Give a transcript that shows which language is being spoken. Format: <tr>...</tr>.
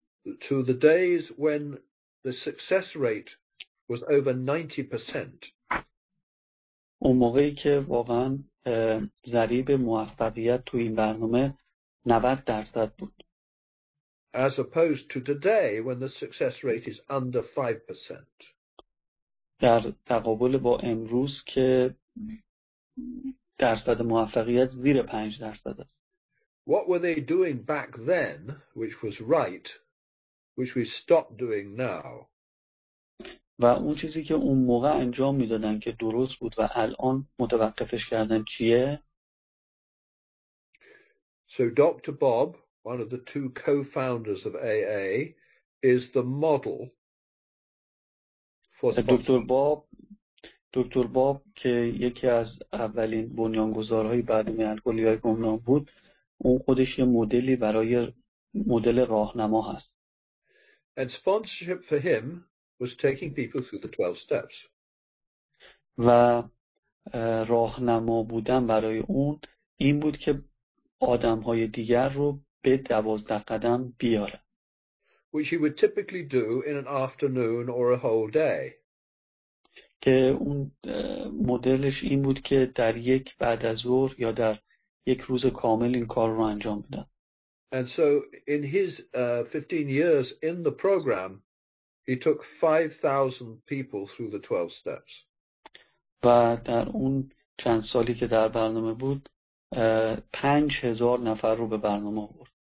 <en>To the days when the success rate was over 90%.</en> <fa>اون موقعی که واقعا ضریب موفقیت تو این برنامه 90% بود.</fa> <en>As opposed to today when the success rate is under 5%.</en> <fa>در تقابل با امروز که درصد موفقیت زیر 5% است.</fa> <en>What were they doing back then which was right, which we stopped doing now?</en> <fa>و اون چیزی که اون موقع انجام میدادن که درست بود و الان متوقفش کردن چیه؟</fa> <en>So Dr. Bob, one of the two co-founders of AA, is the model for sponsorship.</en> <fa>دکتر باب که یکی از اولین بنیانگذارهای برنامه الکلی‌های گمنام بود، اون خودش یه مدلی برای مدل راهنما هست.</fa> <en>And sponsorship for him was taking people through the 12 steps.</en> <fa>و راهنما بودن برای اون این بود که آدم های دیگر رو به 12 قدم بیاره.</fa> <en>Which he would typically do in an afternoon or a whole day.</en> <fa>که اون مدلش این بود که در یک بعد از ظهر یا در یک روز کامل این کار رو انجام میداد.</fa> <en>And so in his 15 years in the program he took 5000 people through the 12 steps.</en> <fa>و در اون چند سالی که در برنامه بود 5000 نفر رو به برنامه آورد.</fa>